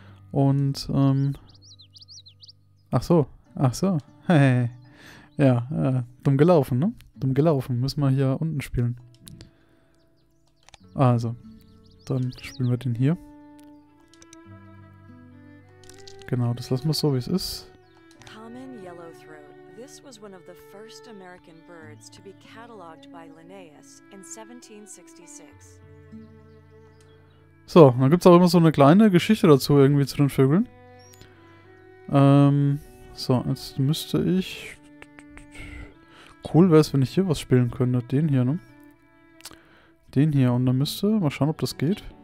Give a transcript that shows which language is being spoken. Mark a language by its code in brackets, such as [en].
[de] Und, Ach so. Hey. Ja, dumm gelaufen, ne? Dumm gelaufen. Müssen wir hier unten spielen. Also, dann spielen wir den hier. Genau, das lassen wir so, wie es ist. [en] Common Yellowthroat. This was one of the first American birds to be cataloged by Linnaeus in 1766. [de] So, dann gibt es auch immer so eine kleine Geschichte dazu, irgendwie zu den Vögeln. So, jetzt müsste ich... Cool wäre es, wenn ich hier was spielen könnte. Den hier, ne? Den hier, und dann müsste... Mal schauen, ob das geht.